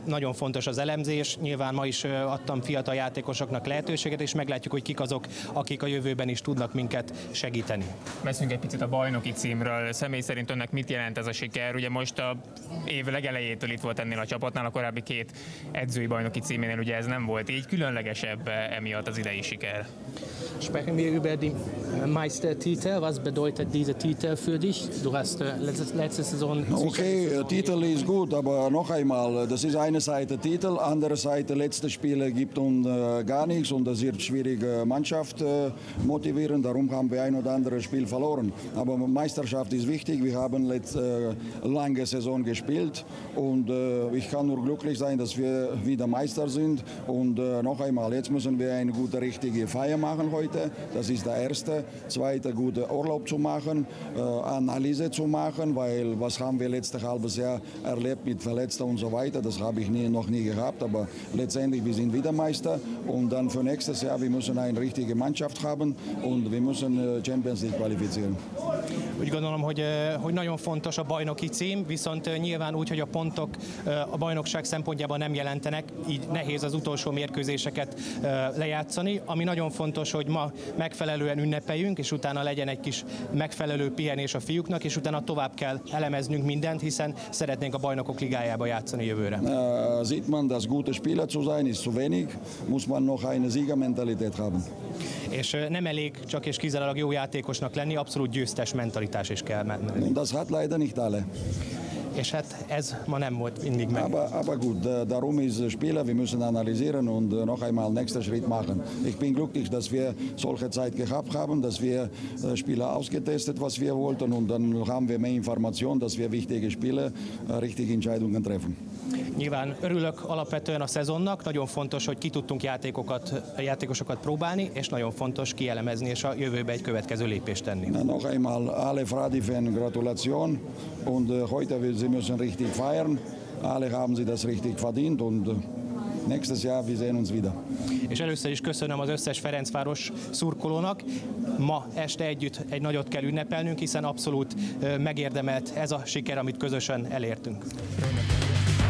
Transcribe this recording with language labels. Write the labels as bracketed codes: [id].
[hu] Nagyon fontos az elemzés. Nyilván ma is adtam fiatal játékosoknak lehetőséget, és meglátjuk, hogy kik azok, akik a jövőben is tudnak minket segíteni. Beszéljünk egy picit a bajnoki címről. Személy szerint önnek mit jelent ez a siker? Ugye most a év legelejétől itt volt ennél a csapatnál, a korábbi két edzői bajnoki címénél ugye ez nem volt így. Különlegesebb emiatt az idei siker? [de] Sprechen wir über den Meistertitel. Was bedeutet dieser Titel für dich? Du hast letzte Saison... Okay, Titel ist gut, aber noch einmal, das ist eine Seite Titel, andere Seite, letzte Spiele gibt uns gar nichts, und das wird schwierige Mannschaft motivieren, darum haben wir ein oder andere Spiel verloren. Aber Meisterschaft ist wichtig, wir haben letzte lange Saison gespielt, und ich kann nur glücklich sein, dass wir wieder Meister sind, und noch einmal, jetzt müssen wir eine gute, richtige Feier machen heute. Das ist der erste. Zweite, gute Urlaub zu machen, Analyse zu machen, weil was haben wir letztes halbes Jahr erlebt mit Verletzten und so weiter. Das habe ich noch nie gehabt, aber letztendlich, wir sind wieder Meister, und dann für nächstes Jahr, wir müssen eine richtige Mannschaft haben, und wir müssen Champions League qualifizieren. [hu] Úgy gondolom, hogy nagyon fontos a bajnoki cím, viszont nyilván úgy, hogy a pontok a bajnokság szempontjában nem jelentenek, így nehéz az utolsó mérkőzéseket lejátszani. Ami nagyon fontos, hogy ma megfelelően ünnepeljünk, és utána legyen egy kis megfelelő pihenés a fiúknak, és utána tovább kell elemeznünk mindent, hiszen szeretnénk a bajnokok ligájába játszani jövőre. [de] Sieht man, dass gute Spieler zu sein ist zu wenig, muss man noch eine Siegermentalität haben. [hu] És nem elég csak és kizárólag jó játékosnak lenni, abszolút győztes mentalitás is kell menni. [de] Das hat leider nicht alle. [hu] És hát ez ma nem volt mindig meg. [de] Aber gut, darum ist Spieler, wir müssen analysieren und noch einmal nächsten Schritt machen. Ich bin glücklich, dass wir solche Zeit gehabt haben, dass wir Spieler ausgetestet, was wir wollten, und dann haben wir mehr Informationen, dass wir wichtige Spiele richtige Entscheidungen treffen. [hu] Nyilván örülök alapvetően a szezonnak, nagyon fontos, hogy ki tudtunk játékosokat próbálni, és nagyon fontos kielemezni és a jövőbe egy következő lépést tenni. [de] Na, noch einmal alle Fradi-Fan gratulation, und heute Sie müssen richtig feiern. Alle haben sie das richtig verdient, und nächstes Jahr wir sehen uns wieder. [hu] És először is köszönöm az összes Ferencváros szurkolónak. Ma este együtt egy nagyot kell ünnepelnünk, hiszen abszolút megérdemelt ez a siker, amit közösen elértünk. Köszönöm.